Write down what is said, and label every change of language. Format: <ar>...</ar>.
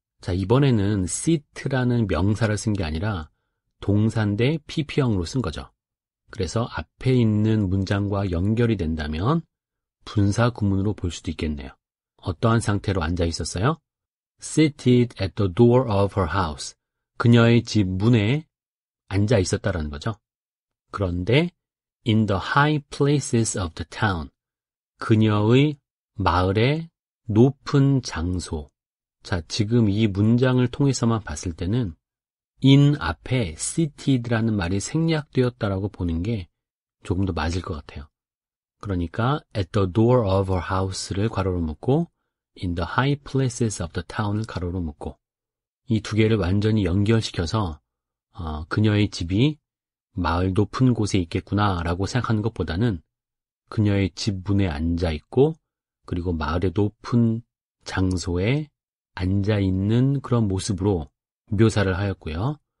<ko>자, 이번에는 sit라는 명사를 쓴 게 아니라 동사인데 PP형으로 쓴 거죠. 그래서 앞에 있는 문장과 연결이 된다면 분사 구문으로 볼 수도 있겠네요. 어떠한 상태로 앉아 있었어요?</ko> <en>Seated at the door of her house.</en> <ko>그녀의 집 문에 앉아 있었다라는 거죠.</ko> <en>그런데 in the high places of the town.</en> <ko>그녀의 마을의 높은 장소. 자, 지금 이 문장을 통해서만 봤을 때는 in 앞에 seated라는 말이 생략되었다라고 보는 게 조금 더 맞을 것 같아요. 그러니까</ko> <en>at the door of her house</en> <ko>를 괄호로 묶고</ko> <en>in the high places of the town</en> <ko>을 괄호로 묶고 이 두 개를 완전히 연결시켜서 그녀의 집이 마을 높은 곳에 있겠구나라고 생각하는 것보다는 그녀의 집 문에 앉아 있고 그리고 마을의 높은 장소에 앉아 있는 그런 모습으로 묘사를 하였고요.</ko>